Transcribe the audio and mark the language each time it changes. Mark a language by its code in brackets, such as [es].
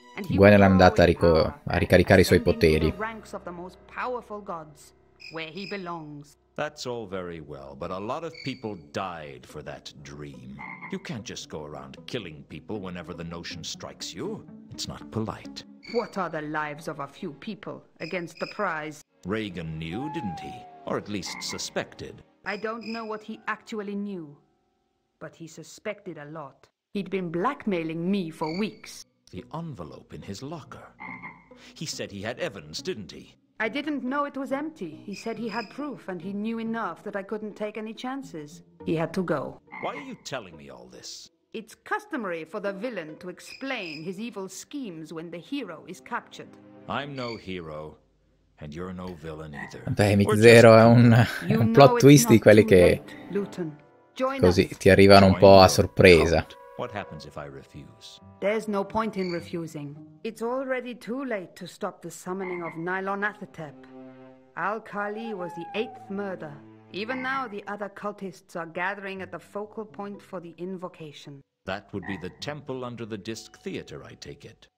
[it] Gwen è andata a ricaricare i suoi poteri. [en] The ranks of the most powerful gods, where he belongs. That's all very well, but a lot of people died for that dream. You can't just go around killing people whenever the notion strikes you. It's not polite. What are the lives of a few people against the prize? Reagan knew, didn't he? Or at least suspected. I don't know what he actually knew, but he suspected a lot. He'd been blackmailing me for weeks. The envelope in his locker. He said he had evidence, didn't he? I didn't know it was empty. He said he had proof and he knew enough that I couldn't take any chances. He had to go. Why are you telling me all this? It's customary for the villain to explain his evil schemes when the hero is captured. I'm no hero, and you're no villain either. [it] Beh, Mick Zero è un plot twist di quelli che così ti arrivano un po' a sorpresa. [en] What happens if I refuse? There's no point in refusing. It's already too late to stop the summoning of Nyarlathotep. Al-Khali was the eighth murder. Even now, the other cultists are gathering at the focal point for the invocation. That would be the temple under the Disc Theater, I take it.